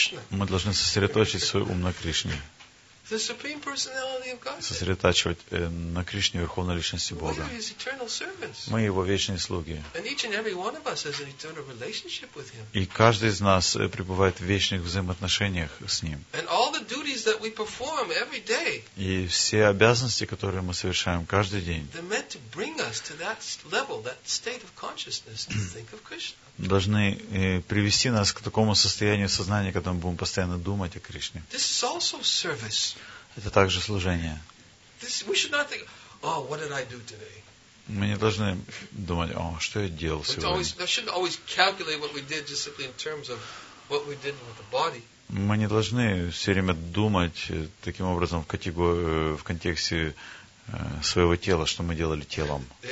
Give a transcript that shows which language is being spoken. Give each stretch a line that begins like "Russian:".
Russian: Мы должны сосредоточить свой ум на Кришне.
English: The Supreme Personality of Godhead.
Russian: Сосредотачивать на Кришне, Верховной Личности Бога.
English: We are His eternal servants.
Russian: Мы Его вечные слуги.
English: And each and every one of us has an eternal relationship with Him.
Russian: И каждый из нас пребывает в вечных взаимоотношениях с Ним.
English: And all the duties that we perform every day.
Russian: И все обязанности, которые мы совершаем каждый день.
English: They're meant to bring us to that level, that state of consciousness, to think of Krishna.
Russian: Должны привести нас к такому состоянию сознания, когда мы будем постоянно думать о Кришне.
English: This is also service.
Russian: Это также служение.
English: This, we should not think, oh, what did I do today?
Russian: Мы не должны думать, о, что я делал сегодня. Мы не должны все время думать таким образом в контексте своего тела, что мы делали телом.